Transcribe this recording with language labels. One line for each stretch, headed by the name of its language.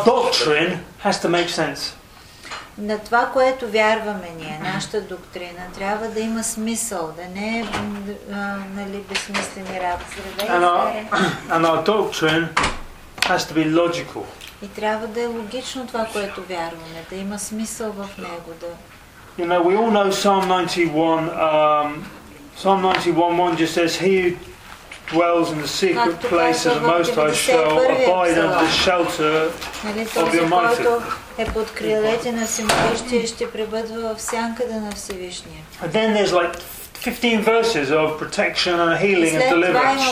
English: doctrine has to make sense.
Bulgarian: На това, което вярваме ние, нашата доктрина, трябва да има смисъл, да не е нали безсмислени работи.
English: And our doctrine has to be logical.
Bulgarian: И трябва да е логично това, което вярваме, да има смисъл в него, да.
English: You know, we all know Psalm 91. Psalm 91:1 just says, He who dwells in the secret place of the Most High shall abide under the shelter of the Almighty.
Bulgarian: Е под крилете на Всемогъщия и ще пребъдва в сянката на Всевишния.
English: And then there's like 15 verses of protection and healing and deliverance.